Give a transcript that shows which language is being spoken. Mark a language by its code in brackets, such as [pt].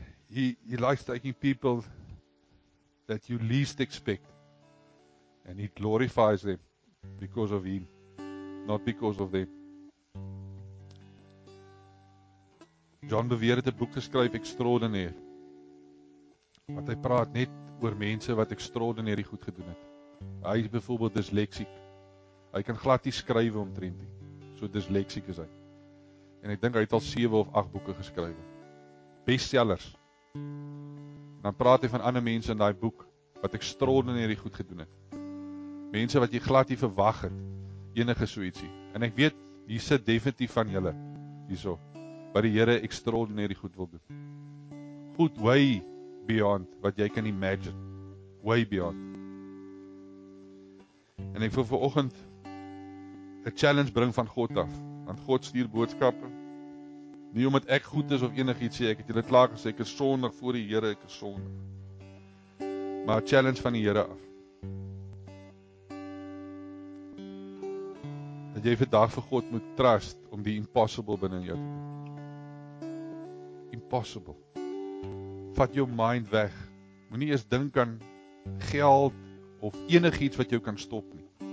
[en] He likes taking people that you least expect and he glorifies them because of him, not because of them. [af] John Bevere het 'n boek geskryf, Extraordinaire. Wat hy praat net oor mense wat extraordinary goed gedoen het. Hy is byvoorbeeld disleksiek. Hy kan glad nie skryf omtrent nie. So disleksiek is hy. En ek dink hy het al 7 of 8 boeke geskryf. Bestsellers. Dan praat hy van ander mense in daai boek wat extraordinary goed gedoen het. Mense wat jy glad nie verwag het enige so ietsie. En ek weet hier sit definitief van julle hierso wat die Here extraordinary goed wil doen. Goed [en] way beyond [af] wat jy kan imagine. [en] Way beyond. [af] En ek wil vir oggend 'n challenge bring van God af. Want God stuur boodskappe. Nie omdat ek goed is of enigiets sê, ek het julle klaar gesê, ek is sondig voor die Here, ek is sondig. Maar 'n challenge van die Here af. Dat jy vandag vir God moet trust om die impossible binne jou te doen. Impossible. Vat jou mind weg. Moenie eers dink aan geld of enigiets wat jou kan stop nie.